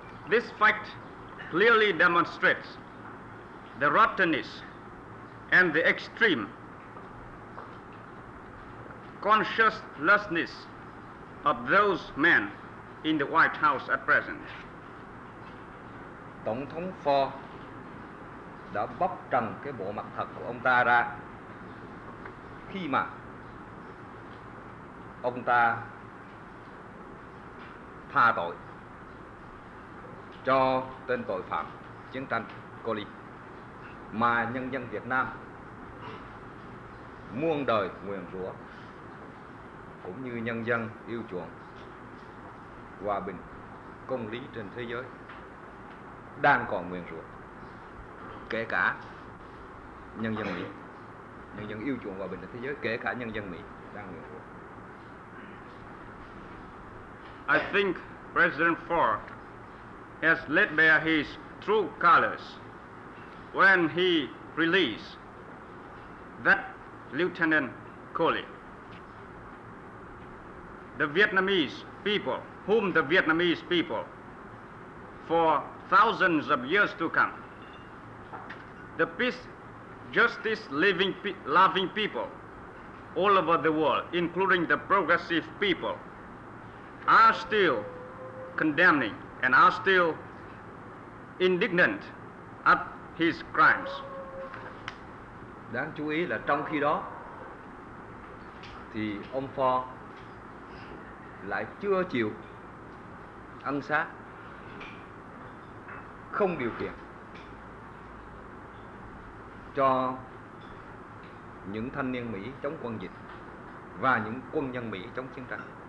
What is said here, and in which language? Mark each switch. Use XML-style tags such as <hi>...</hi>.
<en>This fact clearly demonstrates the rottenness and the extreme consciouslessness of those men in the White House at present.</en> <vi>Tổng thống Ford đã bóc trần cái bộ mặt thật của ông ta ra khi mà ông ta tha tội cho tên tội phạm chiến tranh Cooley, mà nhân dân Việt Nam muôn đời nguyền rủa, cũng như nhân dân yêu chuộng hòa bình, công lý trên thế giới đang còn nguyền rủa, kể cả nhân dân Mỹ, nhân dân yêu chuộng hòa bình trên thế giới, kể cả nhân dân Mỹ đang nguyền rủa.</vi> <en>I think President Ford has laid bare his true colors when he released that Lieutenant Cooley. The Vietnamese people, whom the Vietnamese people for thousands of years to come, the peace, justice, living, loving people all over the world, including the progressive people, are still condemning and are still indignant at his crimes.</en> <vi>Đáng chú ý là trong khi đó thì ông Ford lại chưa chịu ân xá không điều kiện cho những thanh niên Mỹ chống quân dịch và những quân nhân Mỹ chống chiến tranh.</vi>